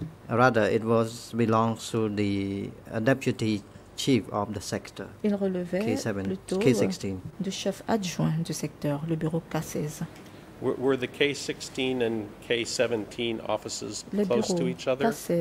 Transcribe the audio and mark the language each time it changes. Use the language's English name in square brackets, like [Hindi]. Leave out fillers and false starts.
[English] Rather, it was belongs to the deputy chief of the sector. [French] Il relevait plutôt K-16. Du chef adjoint du secteur, le bureau K-16. [English] Were the K-16 and K-17 offices close to each other?